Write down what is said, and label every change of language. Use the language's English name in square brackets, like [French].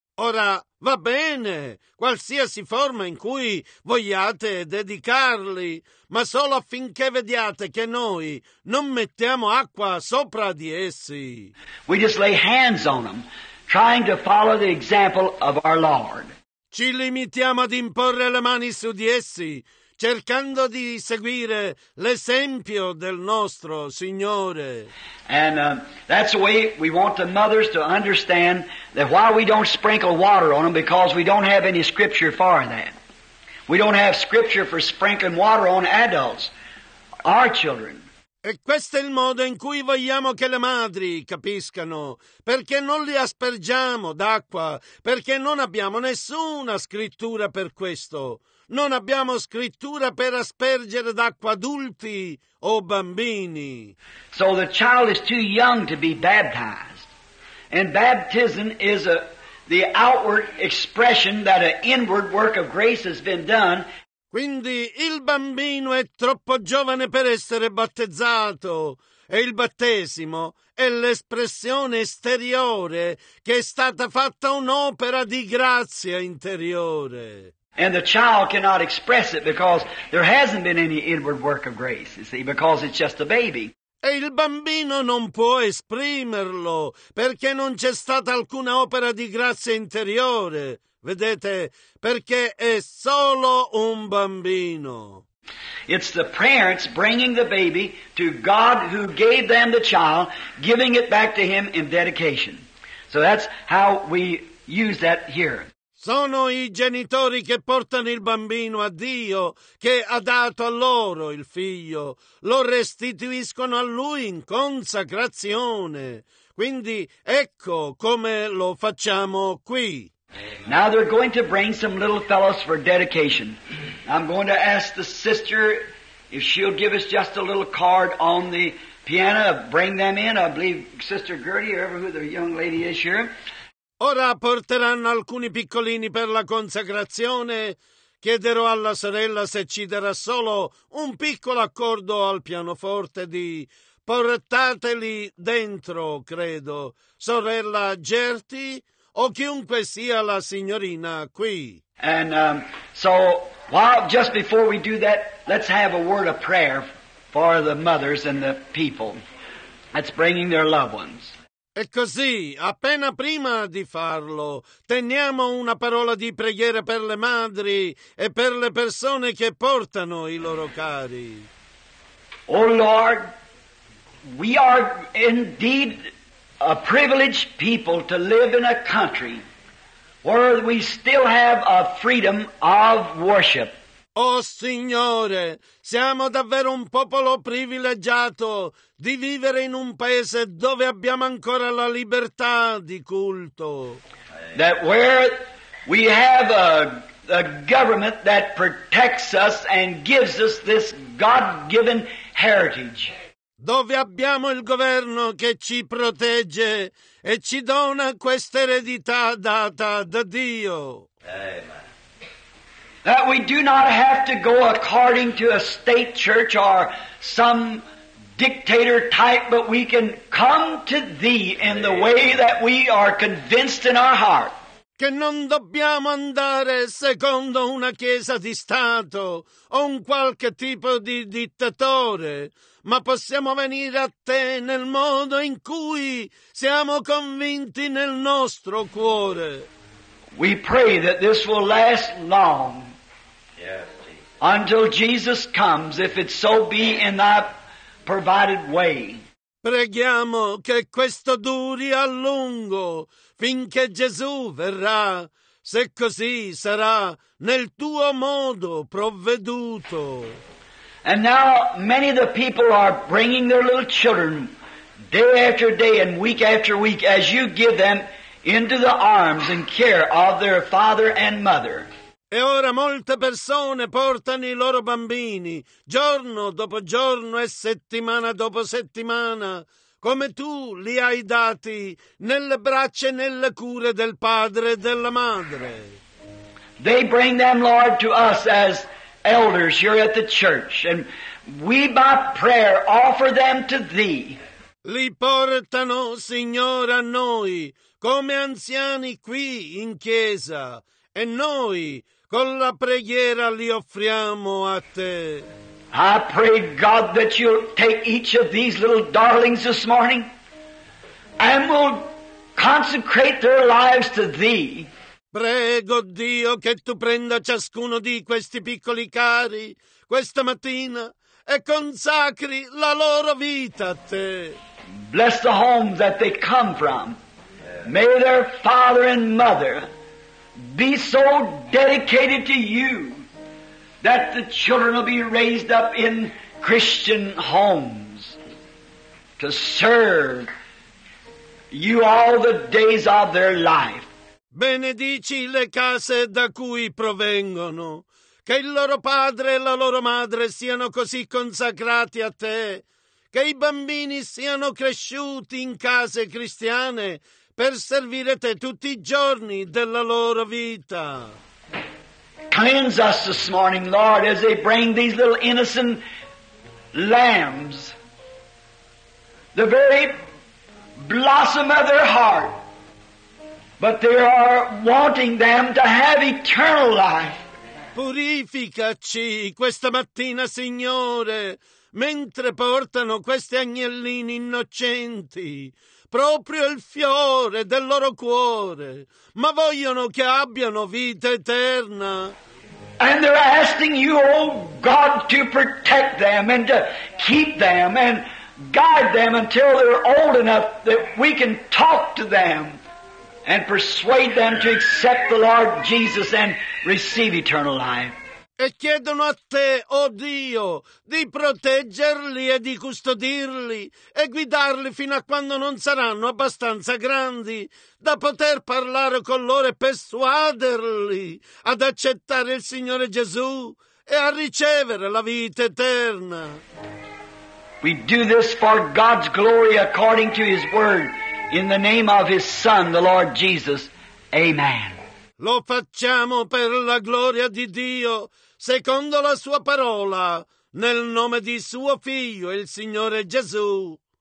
[Italian] Ora, va bene, qualsiasi forma in cui vogliate dedicarli, ma solo affinché vediate che noi non mettiamo acqua sopra di essi. [English] We just lay hands on them, trying to follow the example of our Lord. [Italian] Ci limitiamo ad imporre le mani su di essi, cercando di seguire l'esempio del nostro Signore. [English] And that's the way we want the mothers to understand that why we don't sprinkle water on them, because we don't have any scripture for that. We don't have scripture for sprinkling water on adults, our children. [Italian] E questo è il modo in cui vogliamo che le madri capiscano, perché non li aspergiamo d'acqua, perché non abbiamo nessuna scrittura per questo. Non abbiamo scrittura per aspergere d'acqua adulti o bambini. [English] So the child is too young to be baptized. And baptism is the outward expression that an inward work of grace has been done. [Italian] Quindi il bambino è troppo giovane per essere battezzato, e il battesimo è l'espressione esteriore che è stata fatta un'opera di grazia interiore. [English] And the child cannot express it because there hasn't been any inward work of grace, you see, because it's just a baby. [Italian] E il bambino non può esprimerlo perché non c'è stata alcuna opera di grazia interiore. Vedete, perché è solo un bambino. [English] It's the parents bringing the baby to God who gave them the child, giving it back to Him in dedication. So that's how we use that here. [Italian] Sono i genitori che portano il bambino a Dio, che ha dato a loro il figlio. Lo restituiscono a Lui in consacrazione. Quindi ecco come lo facciamo qui. [English] Now they're going to bring some little fellows for dedication. I'm going to ask the sister if she'll give us just a little card on the piano, bring them in. I believe Sister Gertie, or whoever the young lady is here. [Italian] Ora porteranno alcuni piccolini per la consacrazione. Chiederò alla sorella se ci darà solo un piccolo accordo al pianoforte di portateli dentro, credo. Sorella Gertie, o chiunque sia la signorina qui. [English] And just before we do that, let's have a word of prayer for the mothers and the people that's bringing their loved ones. [Italian] E così, appena prima di farlo, teniamo una parola di preghiera per le madri e per le persone che portano i loro cari. [English] O Lord, we are indeed a privileged people to live in a country where we still have a freedom of worship. [Italian] Oh Signore, siamo davvero un popolo privilegiato di vivere in un paese dove abbiamo ancora la libertà di culto. [English] That where we have a government that protects us and gives us this God-given heritage. [Italian] Dove abbiamo il governo che ci protegge e ci dona questa eredità data da Dio. [English] Amen. That we do not have to go according to a state church or some dictator type, but we can come to Thee in the way that we are convinced in our heart. [Italian] Che non dobbiamo andare secondo una chiesa di Stato o un qualche tipo di dittatore, ma possiamo venire a Te nel modo in cui siamo convinti nel nostro cuore. [English] We pray that this will last long. Until Jesus comes, if it so be in that provided way. [Italian] Preghiamo che questo duri a lungo, finché Gesù verrà, se così sarà nel tuo modo provveduto. [English] And now many of the people are bringing their little children day after day and week after week as you give them into the arms and care of their father and mother. [Italian] E ora molte persone portano i loro bambini giorno dopo giorno e settimana dopo settimana, come tu li hai dati nelle braccia e nelle cure del padre e della madre. [English] They bring them, Lord, to us as elders here at the church, and we by prayer offer them to Thee. [Italian] Li portano, Signore, a noi come anziani qui in chiesa, e noi con la preghiera li offriamo a Te. [English] I pray, God, that You'll take each of these little darlings this morning and will consecrate their lives to Thee. [Italian] Prego, Dio, che Tu prenda ciascuno di questi piccoli cari questa mattina e consacri la loro vita a Te. [English] Bless the home that they come from. May their father and mother be so dedicated to You that the children will be raised up in Christian homes to serve You all the days of their life. [Italian] Benedici le case da cui provengono, che il loro padre e la loro madre siano così consacrati a Te, che i bambini siano cresciuti in case cristiane per servire Te tutti i giorni della loro vita. [English] Cleanse us this morning, Lord, as they bring these little innocent lambs, the very blossom of their heart, but they are wanting them to have eternal life. [Italian] Purificaci questa mattina, Signore, mentre portano questi agnellini innocenti, proprio il fiore del loro cuore, ma vogliono che abbiano vita eterna. [English] And they're asking you, oh God, to protect them and to keep them and guide them until they're old enough that we can talk to them and persuade them to accept the Lord Jesus and receive eternal life. [Italian] E chiedono a te, oh Dio, di proteggerli e di custodirli e guidarli fino a quando non saranno abbastanza grandi da poter parlare con loro e persuaderli ad accettare il Signore Gesù e a ricevere la vita eterna. [English] We do this for God's glory according to His Word, in the name of His Son, the Lord Jesus. Amen. [Italian] Lo facciamo per la gloria di Dio, secondo la sua parola, nel nome di suo figlio, il Signore Gesù.